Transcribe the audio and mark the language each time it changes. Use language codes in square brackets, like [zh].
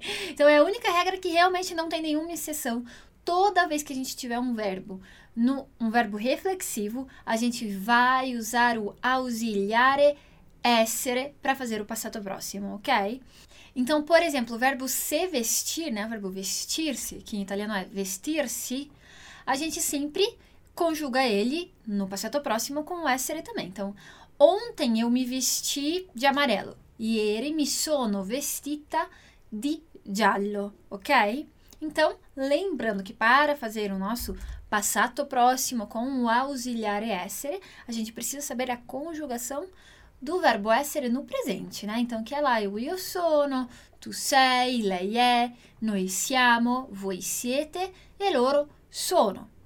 [pt] Então é a única regra que realmente não tem nenhuma exceção. Toda vez que a gente tiver um verbo reflexivo, a gente vai usar o ausiliare essere para fazer o passato próximo, ok? Então, por exemplo, o verbo se vestir, né? O verbo vestir-se, que em italiano é vestir-se, a gente sempre conjuga ele no passato próximo com o essere também. Então, ontem eu me vesti de amarelo. [it] Ieri mi sono vestita di giallo, ok? [pt] Então, lembrando que para fazer o nosso passato próximo com o ausiliare essere, a gente precisa saber a conjugação do verbo essere no presente, né? Então, que é lá, eu [it] sono, tu sei, lei é, noi siamo, voi siete e loro sono.